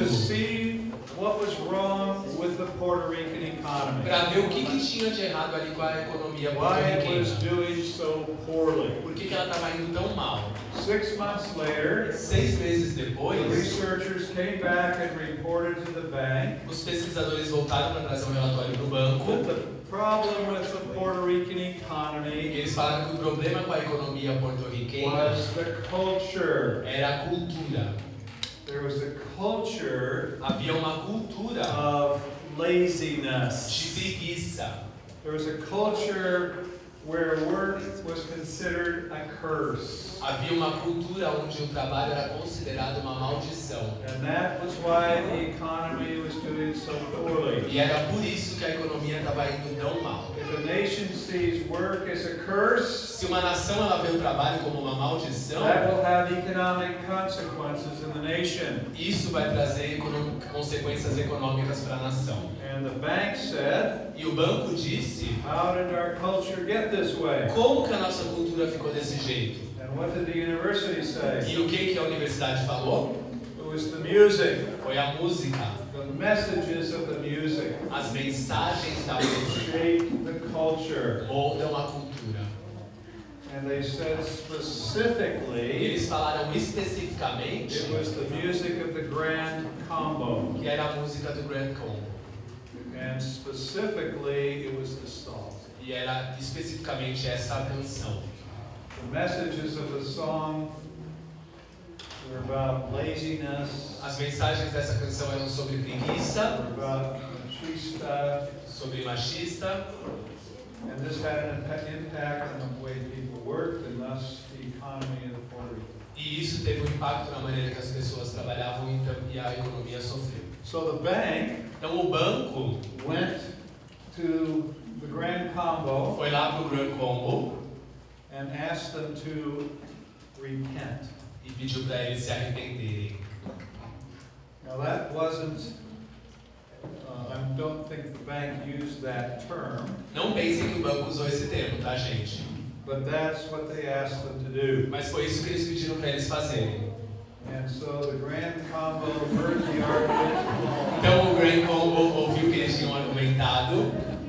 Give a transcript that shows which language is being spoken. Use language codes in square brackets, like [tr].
[en] to see what was wrong with the Puerto Rican economy, [pt] para ver o que tinha de errado ali com a economia porto-riquenha. [en] Why it was doing so poorly. [pt] Por que ela estava indo tão mal? [en] 6 months later, [pt] 6 meses depois, [en] the researchers came back and reported to the bank, [pt] os pesquisadores voltaram para trazer um relatório para o banco. [en] The problem with the Puerto Rican economy, [pt] eles falaram que o problema com a economia porto-riquenha [en] was the culture. [pt] Era a cultura. [en] There was a culture, [pt] havia uma cultura [en] of laziness, [pt] de preguiça. [en] There was a culture where work was considered a curse. [pt] Havia uma cultura onde o trabalho era considerado uma maldição. [en] And that was why the economy was doing so poorly. [pt] E era por isso que a economia estava indo tão mal. [en] If a nation sees work as a curse, [pt] se uma nação ela vê o trabalho como uma maldição, [en] that will have economic consequences in the nation. [pt] Isso vai trazer consequências econômicas para a nação. [en] And the bank said, [pt] e o banco disse, [en] how did our culture get this way? [pt] Como que a nossa cultura ficou desse jeito? [en] And what did the university say? [pt] E o que a universidade falou? [en] It was the music. [pt] Foi a música. [en] The messages of the music. [pt] As mensagens da música. [en] Shape the culture. [pt] Moldam a cultura. [en] And they said specifically, [pt] e eles falaram especificamente, [en] it was the music of the Grand Combo. [pt] Que era a música do Grand Combo. [en] And specifically, it was the song. [pt] E era especificamente essa canção. [en] The messages of the song were about laziness. [pt] As mensagens dessa canção eram sobre preguiça. [en] About machista. [pt] Sobre machista. [en] And this had an impact on the way people worked and thus the economy of Puerto Rico. [pt] E isso teve um impacto na maneira que as pessoas trabalhavam e a economia sofreu. [en] So the bank, [pt] então o banco, [en] went to the Grand Combo, [pt] foi lá pro Grand Combo, [en] and asked them to repent, [pt] e pediu para eles se arrependerem. [en] Now that wasn't, I don't think the bank used that term. [pt] Não pense que o banco usou esse termo, tá gente? [en] But that's what they asked them to do. [pt] Mas foi isso que eles pediram para eles fazerem. [en] And so the Grand Combo heard the argument. [pt] Então o Grand Combo ouviu o que eles tinham argumentado.